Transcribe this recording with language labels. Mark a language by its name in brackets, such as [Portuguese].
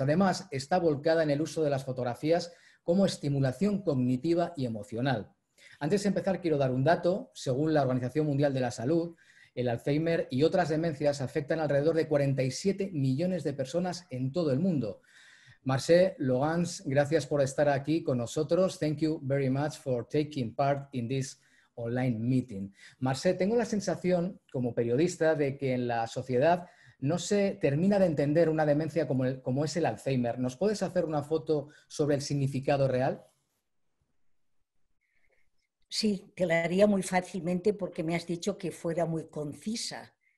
[Spanish] Además, está volcada en el uso de las fotografías como estimulación cognitiva y emocional. Antes de empezar, quiero dar un dato. Según la Organización Mundial de la Salud, el Alzheimer y otras demencias afectan alrededor de 47 millones de personas en todo el mundo. Mercè, Laurence, gracias por estar aquí con nosotros. [English] Thank you very much for taking part in this online meeting. [Spanish] Mercè, tengo la sensación, como periodista, de que en la sociedad no se termina de entender una demencia como es el Alzheimer. ¿Nos puedes hacer una foto sobre el significado real? Sí, te la haría muy fácilmente porque me has dicho que fuera muy concisa.